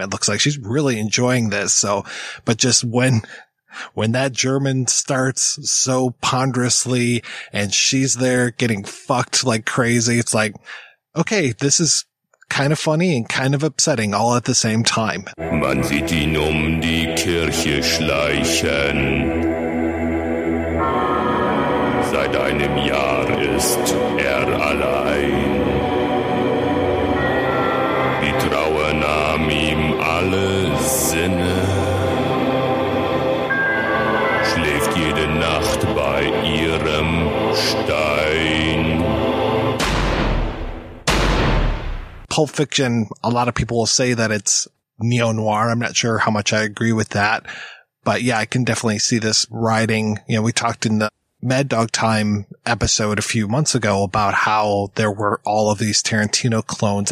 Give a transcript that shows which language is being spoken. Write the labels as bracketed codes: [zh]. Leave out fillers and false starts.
[en] It looks like she's really enjoying this. So, but just when that German starts so ponderously and she's there getting fucked like crazy, it's like, okay, this is kind of funny and kind of upsetting all at the same time. [de] Man sieht ihn um die Kirche schleichen. Seit einem Jahr ist er allein. Die Trauer nahm ihm alle Sinne. Schläft jede Nacht bei ihrem Stein. [en] Pulp Fiction, a lot of people will say that it's neo-noir. I'm not sure how much I agree with that. But yeah, I can definitely see this riding. You know, we talked in the Mad Dog Time episode a few months ago about how there were all of these Tarantino clones.